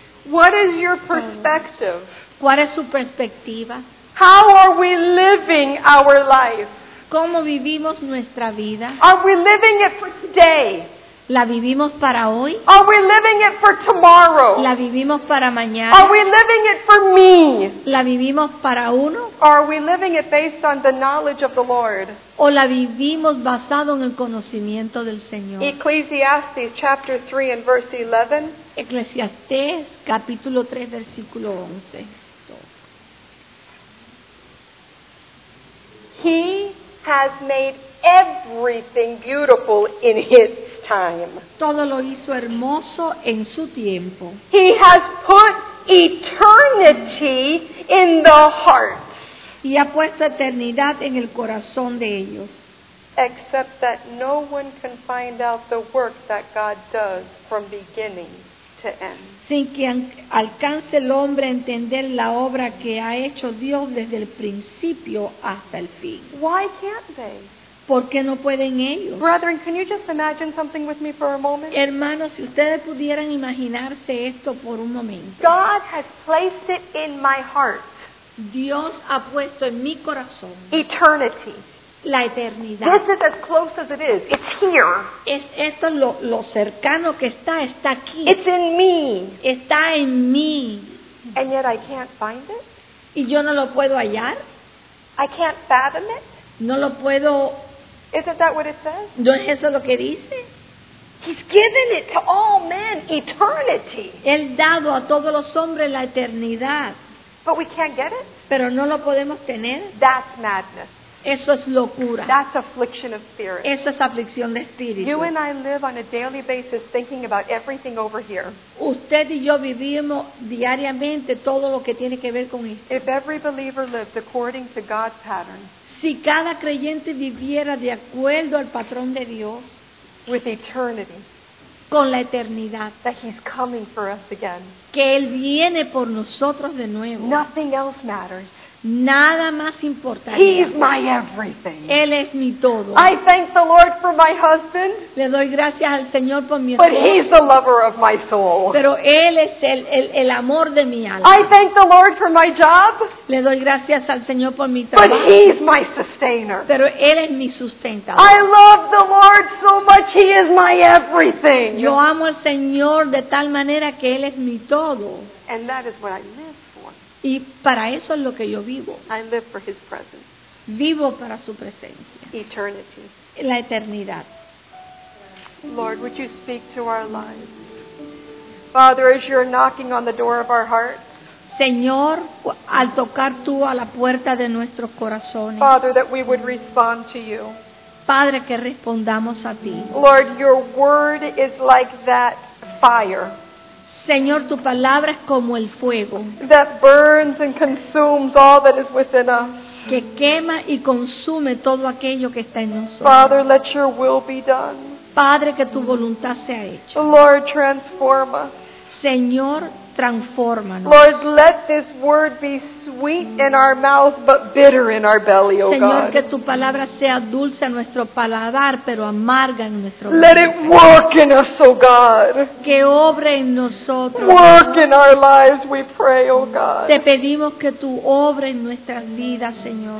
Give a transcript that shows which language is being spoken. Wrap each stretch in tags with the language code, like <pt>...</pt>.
<en>What is your perspective?</en> <es>¿Cuál es su perspectiva?</es> <en>How are we living our life?</en> <es>¿Cómo vivimos nuestra vida?</es> <en>Are we living it for today?</en> <es>¿La vivimos para hoy?</es> <en>Are we living it for tomorrow?</en> <es>¿La vivimos para mañana?</es> <en>Are we living it for me?</en> <es>¿La vivimos para uno?</es> <en>Are we living it based on the knowledge of the Lord?</en> <es>¿O la vivimos basado en el conocimiento del Señor?</es> <en>Ecclesiastes chapter 3 and verse 11.</en> <es>Eclesiastés capítulo 3 versículo 11.</es> <en>He has made everything beautiful in his time.</en> <es>Todo lo hizo hermoso en su tiempo.</es> <en>He has put eternity in the hearts.</en> <es>Y ha puesto eternidad en el corazón de ellos.</es> <en>Except that no one can find out the work that God does from beginning to end.</en> <es>Sin que alcance el hombre a entender la obra que ha hecho Dios desde el principio hasta el fin.</es> <en>Why can't they?</en> <es>¿Por qué no pueden ellos?</es> <en>Brethren, can you just imagine something with me for a moment?</en> <es>Hermanos, si ustedes pudieran imaginarse esto por un momento.</es> <en>God has placed it in my heart.</en> <es>Dios ha puesto en mi corazón</es> <en>eternity.</en> <es>La eternidad.</es> <en>This is as close as it is. It's here.</en> <es>Es esto lo cercano que está, está aquí.</es> <en>It's in me.</en> <es>Está en mí.</es> <en>And yet I can't find it.</en> <es>Y yo no lo puedo hallar.</es> <en>I can't fathom it.</en> <es>No lo puedo.</es> <en>Isn't that what it says?</en> <es>¿No es eso lo que dice?</es> <en>He's given it to all men, eternity.</en> <es>Él dado a todos los hombres la eternidad.</es> <en>But we can't get it.</en> <es>Pero no lo podemos tener.</es> <en>That's madness.</en> <es>Eso es locura.</es> <en>That's affliction of spirit.</en> <es>Eso es aflicción de espíritu.</es> <en>You and I live on a daily basis thinking about everything over here.</en> <es>Usted y yo vivimos diariamente todo lo que tiene que ver con esto.</es> <en>If every believer lived according to God's pattern.</en> <es>Si cada creyente viviera de acuerdo al patrón de Dios.</es> <en>With eternity.</en> <es>Con la eternidad.</es> <en>That he's coming for us again.</en> <es>Que él viene por nosotros de nuevo.</es> <en>Nothing else matters.</en> <es>Nada más importaría.</es> <en>He's my everything.</en> <es>Él es mi todo.</es> <en>I thank the Lord for my husband.</en> <es>Le doy gracias al Señor por mi esposo.</es> <en>But he's the lover of my soul.</en> <es>Pero él es el amor de mi alma.</es> <en>I thank the Lord for my job.</en> <es>Le doy gracias al Señor por mi trabajo.</es> <en>But he's my sustainer.</en> <es>Pero él es mi sustentador.</es> <en>I love the Lord so much. He is my everything.</en> <es>Yo amo al Señor de tal manera que él es mi todo.</es> <en>And that is what I live.</en> <es>Y para eso es lo que yo vivo.</es> <en>I live for his presence.</en> <es>Vivo para su presencia.</es> <en>Eternity.</en> <es>La eternidad.</es> <en>Lord, would you speak to our lives? Father, as you're knocking on the door of our hearts.</en> <es>Señor, al tocar tú a la puerta de nuestros corazones.</es> <en>Father, that we would respond to you.</en> <es>Padre, que respondamos a ti.</es> <en>Lord, your word is like that fire.</en> <es>Señor, tu palabra es como el fuego.</es> <en>That burns and consumes all that is within us.</en> <es>Que quema y consume todo aquello que está en nosotros.</es> <en>Father, let your will be done.</en> <es>Padre, que tu voluntad sea hecha.</es> <en>Lord, transform us.</en> <es>Señor, transfórmanos.</es> <en>Lord, let this word be sweet in our mouth but bitter in our belly, oh God.</en> <es>Señor, que tu palabra sea dulce a nuestro paladar pero amarga en nuestro</es> <en>belly. Let it work in us, oh God.</en> <es>Que obre en nosotros.</es> <en>Work in our lives, we pray, oh God.</en> <es>Te pedimos que tu obre en nuestras vidas, Señor.</es>